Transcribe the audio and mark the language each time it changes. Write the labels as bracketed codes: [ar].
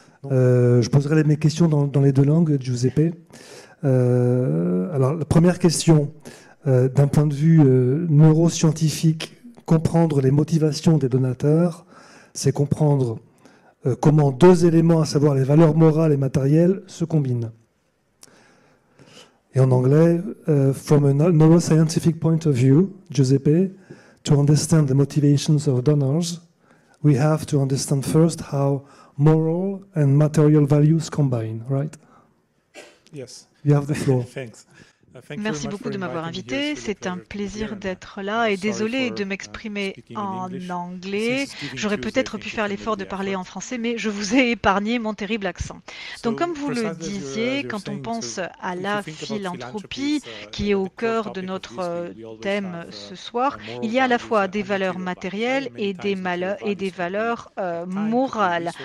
[fr] Je poserai mes questions dans les deux langues, Giuseppe. Alors, la première question, d'un point de vue neuroscientifique, comprendre les motivations des donateurs, c'est comprendre comment deux éléments, à savoir les valeurs morales et matérielles, se combinent. Et en anglais, [en] from a neuroscientific point of view, Giuseppe, to understand the motivations of donors, we have to understand first how moral and material values combine, right? Yes. You have the floor. Thanks. [fr] Merci beaucoup de m'avoir invité. C'est un plaisir d'être là et désolé de m'exprimer en anglais. J'aurais peut-être pu faire l'effort de parler en français, mais je vous ai épargné mon terrible accent. Donc, comme vous le disiez, quand on pense à la philanthropie qui est au cœur de notre thème ce soir, il y a à la fois des valeurs matérielles et des valeurs morales.